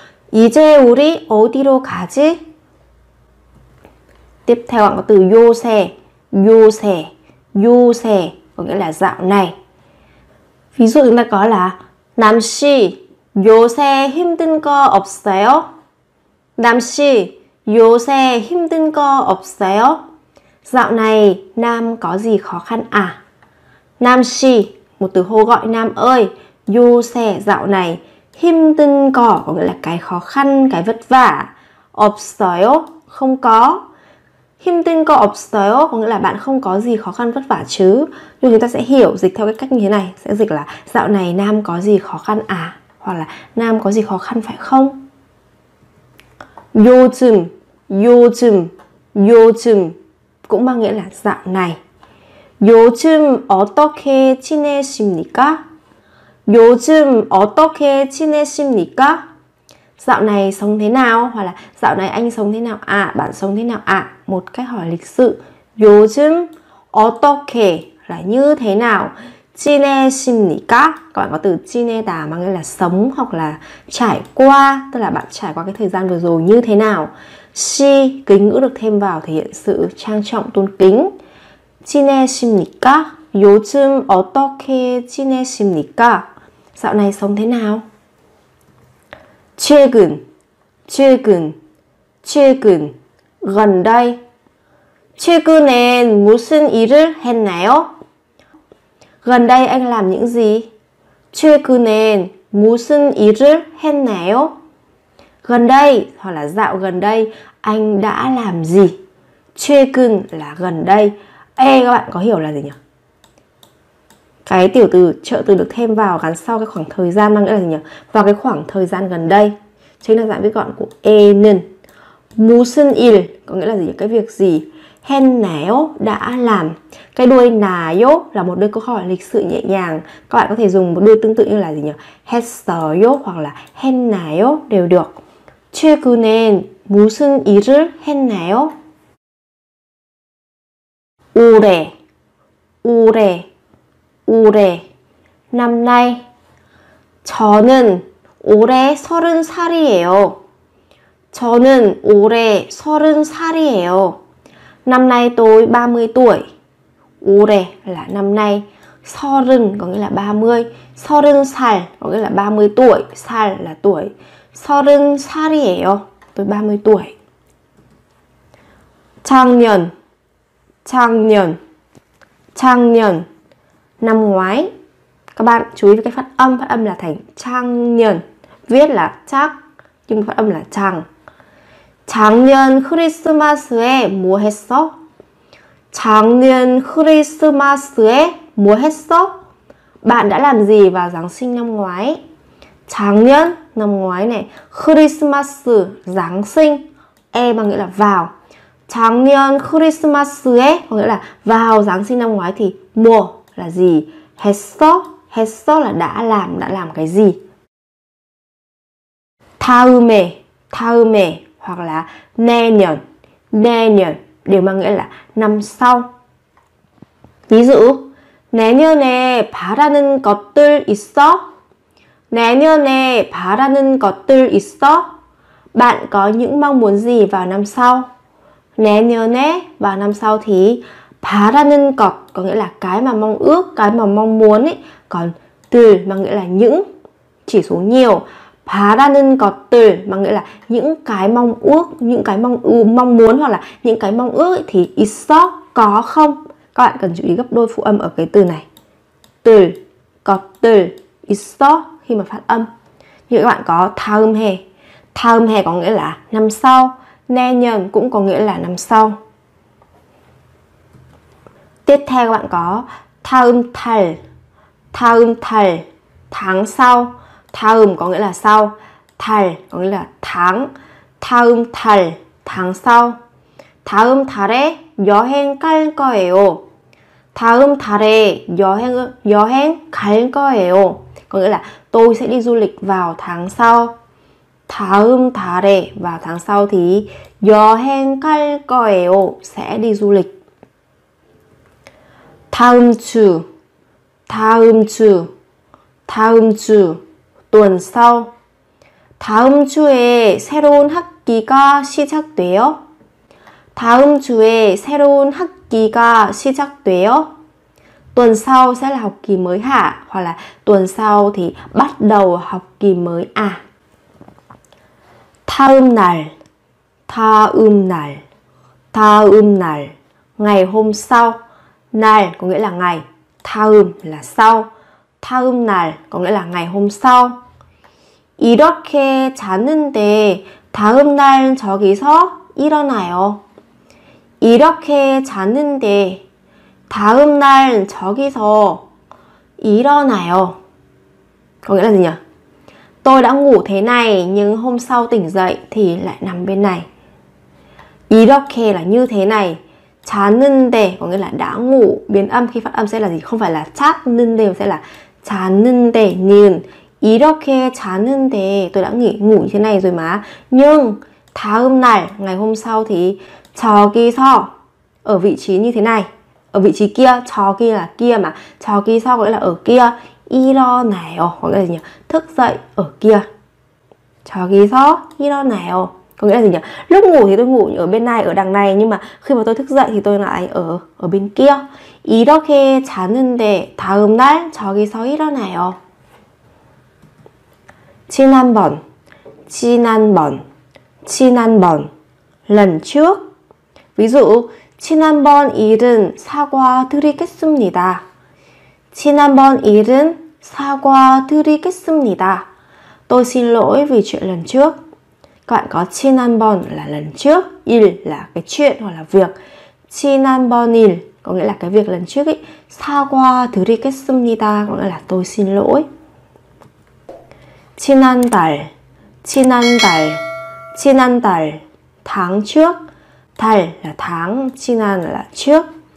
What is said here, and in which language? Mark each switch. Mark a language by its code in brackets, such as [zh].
[ko] 이제 우리 어디로 가지? [vi] Tiếp theo bạn có từ 요새, 요새, 요새 có nghĩa là dạo này. Ví dụ chúng ta có là [ko] 남씨 요새 힘든 거 없어요? 남씨 요새 힘든 거 없어요? [vi] Dạo này Nam có gì khó khăn à? 남씨 một từ hô gọi Nam ơi. 요새 dạo này 힘든 거 có nghĩa là cái khó khăn, cái vất vả. 없어요 không có. [ko] 힘든 거 없어요 [vi] có nghĩa là bạn không có gì khó khăn vất vả chứ. Nhưng chúng ta sẽ hiểu dịch theo cái cách như thế này, sẽ dịch là dạo này Nam có gì khó khăn à, hoặc là Nam có gì khó khăn phải không. 요즘, 요즘, 요즘 cũng mang nghĩa là dạo này. [ko] 요즘 어떻게 지내십니까? 요즘 어떻게 지내십니까? [vi] Dạo này sống thế nào? Hoặc là dạo này anh sống thế nào ạ? À, bạn sống thế nào ạ? À, một cách hỏi lịch sự. [ko] 요즘 어떻게 [vi] là như thế nào? [ko] 지내십니까? [vi] Các bạn có từ 지내다 mà nghĩa là sống hoặc là trải qua, tức là bạn trải qua cái thời gian vừa rồi như thế nào? 시 kính ngữ được thêm vào thể hiện sự trang trọng tôn kính. [ko] 지내십니까? 요즘 어떻게 지내십니까? [vi] Dạo này sống thế nào? [ko] 최근, 최근, 최근, [vi] gần đây. [ko] 최근엔 무슨 일을 했나요? [vi] Gần đây anh làm những gì? [ko] 최근엔 무슨 일을 했나요? [vi] Gần đây, hoặc là dạo gần đây, anh đã làm gì? 최근 là gần đây. Ê, các bạn có hiểu là gì nhỉ? Cái tiểu từ, trợ từ được thêm vào gắn sau cái khoảng thời gian mang nghĩa là gì nhỉ? Vào cái khoảng thời gian gần đây. Chính là dạng viết gọn của 에는. 무슨 일 có nghĩa là gì? Cái việc gì? 했나요? Đã làm. Cái đuôi 나요 là một đuôi câu hỏi lịch sự nhẹ nhàng. Các bạn có thể dùng một đuôi tương tự như là gì nhỉ? 했어요 hoặc là 했나요 đều được. [ko] 최근엔 무슨 일을 했나요? 올해, 올해, 올해. [vi] Năm nay. [ko] 저는 올해 서른 살이에요. 저는 올해 서른 살이에요. [vi] Năm nay tôi 30 tuổi. 올해 là năm nay. 서른 có nghĩa là 30. 서른 살 có nghĩa là 30 tuổi. 살 là tuổi. 서른 살이에요. Tôi 30 tuổi. [ko] 작년, 작년, 작년. [vi] Năm ngoái. Các bạn chú ý với cái phát âm là thành 작년. Viết là chắc nhưng phát âm là chẳng. [ko] 작년 크리스마스에 뭐 했어? 작년 크리스마스에 뭐 했어? [vi] Bạn đã làm gì vào Giáng sinh năm ngoái? 작년 năm ngoái này, 크리스마스 Giáng sinh, e bằng nghĩa là vào. [ko] 작년 크리스마스에 [vi] có nghĩa là vào Giáng sinh năm ngoái thì mua là gì? 했어? 했어 là đã làm cái gì? 다음에, 다음에 hoặc là 내년, 내년 đều mang nghĩa là năm sau. Ví dụ, [ko] 내년에 바라는 것들 있어? 내년에 바라는 것들 있어? [vi] Bạn có những mong muốn gì vào năm sau? 내년에 vào năm sau thì [ko] 바라는 것 [vi] có nghĩa là cái mà mong ước, cái mà mong muốn ấy. Còn 들 mang nghĩa là những, chỉ số nhiều. [ko] 바라는 것들 [vi] mang nghĩa là những cái mong ước, những cái mong mong muốn hoặc là những cái mong ước thì 있어 có không? Các bạn cần chú ý gấp đôi phụ âm ở cái từ này. [ko] 들 것들 있어 [vi] khi mà phát âm. Như các bạn có [ko] 다음 해. [vi] 다음 해 có nghĩa là năm sau. 내년 cũng có nghĩa là năm sau. Tiếp theo các bạn có [ko] 다음 달. [vi] 다음 달 tháng sau. 다음 có nghĩa là sau. 달 có nghĩa là tháng. [ko] 다음 달 [vi] tháng sau. [ko] 다음 달에 여행 갈 거예요. 다음 달에 여행 갈 거예요. [vi] Có nghĩa là tôi sẽ đi du lịch vào tháng sau. [ko] 다음 달에 [vi] vào tháng sau thì [ko] 여행 갈 거예요 [vi] sẽ đi du lịch. [ko] 다음 주 다음 주 다음 주 [vi] tuần sau. [ko] 다음 주에 새로운 학기가 시작돼요. 다음 주에 새로운 학기가 시작돼요. [vi] Tuần sau sẽ là học kỳ mới hả? Hoặc là tuần sau thì bắt đầu học kỳ mới à? [ko] 다음 날, 다음 날, 다음 날, [vi] ngày hôm sau. 날 có nghĩa là ngày, 다음 là sau. [ko] 다음 날 [vi] có nghĩa là ngày hôm sau. [ko] 이렇게 자는데 다음 날 저기서 일어나요. 이렇게 자는데 다음 날 저기서 일어나요. [vi] Có nghĩa là gì nhỉ? Tôi đã ngủ thế này nhưng hôm sau tỉnh dậy thì lại nằm bên này. 이렇게 là như thế này. 자는데 có nghĩa là đã ngủ. Biến âm khi phát âm sẽ là gì? Không phải là 자는데 mà sẽ là 자는데 는. [ko] 이렇게 자는데 [vi] tôi đã ngủ như thế này rồi mà. Nhưng [ko] 다음 날 [vi] ngày hôm sau thì 저기서 ở vị trí như thế này. Ở vị trí kia, 저기 là kia mà. 저기서 có nghĩa là ở kia. 일어나요 có nghĩa là gì nhỉ? Thức dậy ở kia. [ko] 저기서 일어나요 [vi] có nghĩa là gì nhỉ? Lúc ngủ thì tôi ngủ ở bên này, ở đằng này. Nhưng mà khi mà tôi thức dậy thì tôi lại ở bên kia. [ko] 이렇게 자는데 다음 날 저기서 일어나요. 지난번 지난번 지난번 [vi] lần trước. Ví dụ [ko] 지난번 일은 사과드리겠습니다. 지난번 일은 사과드리겠습니다. [vi] Tôi xin lỗi vì chuyện lần trước. Các bạn có 지난번 là lần trước, 일 là cái chuyện hoặc là việc. [ko] 지난번 일 [vi] có nghĩa là cái việc lần trước ấy. 사과드리겠습니다 có nghĩa là tôi xin lỗi. [ko] 지난달 지난달 지난달 [vi] tháng trước. 달 là tháng, 지난 là trước.